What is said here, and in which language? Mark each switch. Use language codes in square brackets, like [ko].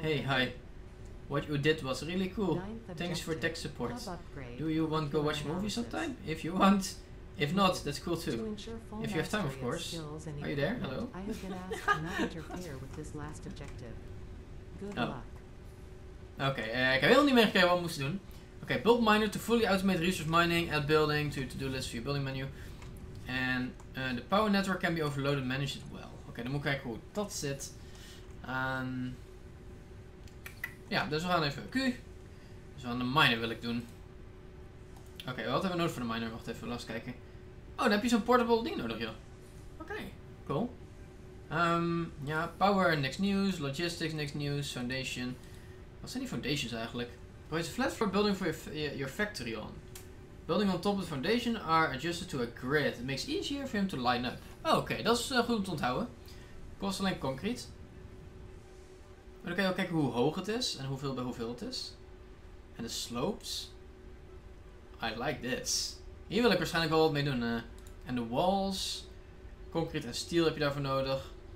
[en] Hey, hi. What you did was really cool. Thanks for tech support. Do you want to go watch movies sometime? If you want. If not, that's cool too. If you have time, of course. Are you there? Hello? I have been asked to not interfere with this last objective. Good luck. [nl] Oké, ik heb helemaal niet meegekregen wat we moesten doen. [en] Oké, build miner to fully automate resource mining, add building to do list for your building menu. And the power network can be overloaded, manage it well. [nl] Oké, dan moet ik kijken hoe dat zit. Ja, dus we gaan even Q. Dus aan de miner wil ik doen. Oké, wat hebben we nodig voor de miner? Wacht even, laat eens kijken. Oh, dan heb je zo'n portable ding nodig, joh. Oké, cool. Ja, power, niks nieuws. Logistics, niks nieuws. Foundation. Wat zijn die foundations eigenlijk? [en] Probably a flat floor building for your factory on. Building on top of the foundation are adjusted to a grid. It makes it easier for him to line up. [nl] Oh, oké, dat is goed om te onthouden. Kost alleen concrete. Maar dan kan je ook kijken hoe hoog het is en hoeveel bij hoeveel het is. En de slopes. [en] I like this. [nl] Hier wil ik waarschijnlijk wel wat mee doen. En de walls. Concrete en steel heb je daarvoor nodig.